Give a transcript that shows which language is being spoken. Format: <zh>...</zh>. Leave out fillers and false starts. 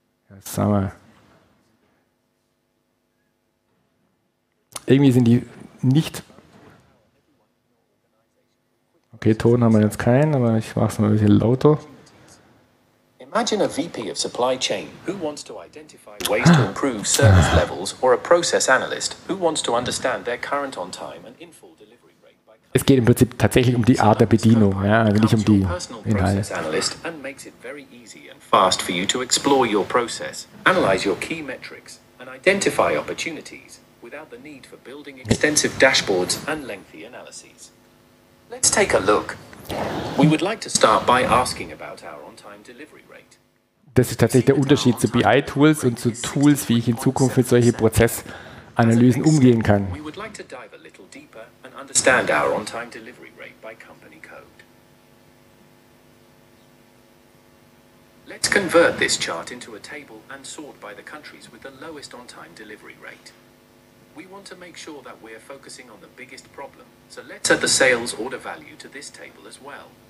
<de>Ja, sag mal. Irgendwie sind die nicht... Okay, Ton haben wir jetzt keinen, aber ich mache es mal ein bisschen lauter.</de> <en>Imagine a VP of supply chain who wants to identify ways to improve service levels or a process analyst who wants to understand their current on time and in full delivery rate by customer.</en> <de>Es geht im Prinzip tatsächlich um die Art der Bedienung, ja, nicht um die Inhalte.</de> <en>And makes it very easy and fast for you to explore your process, analyze your key metrics and identify opportunities without the need for building extensive dashboards and lengthy analyses. Let's take a look. We would like to start by asking about our on-time delivery rate.</en> <de>Das ist tatsächlich der Unterschied zu BI-Tools und zu Tools, wie ich in Zukunft mit solchen Prozessanalysen umgehen kann.</de> <en>We would like to dive a little deeper and understand our on-time delivery rate by company code. Let's convert this chart into a table and sort by the countries with the lowest on-time delivery rate. We want to make sure that we're focusing on the biggest problem, so let's add the sales order value to this table as well.</en>